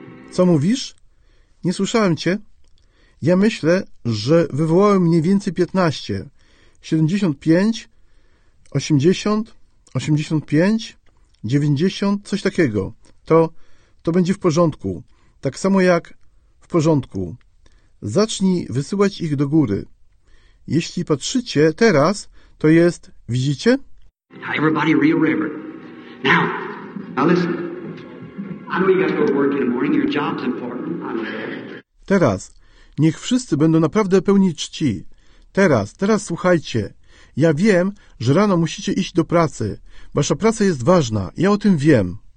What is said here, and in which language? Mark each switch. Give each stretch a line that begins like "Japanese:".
Polish: Co mówisz? Nie słyszałem cię. Ja myślę, że wywołałem mniej więcej 15. 75, 80, 85, 90, coś takiego. To będzie w porządku. Tak samo jak w porządku. Zacznij wysyłać ich do góry. Jeśli patrzycie teraz, to jest, widzicie?
English: Everybody real reverend. Now listen. I know you got to go to work in the morning. Your job's important.
Polish: Teraz. Niech wszyscy będą naprawdę pełni czci. Teraz słuchajcie. Ja wiem, że rano musicie iść do pracy. Wasza praca jest ważna. Ja o tym wiem.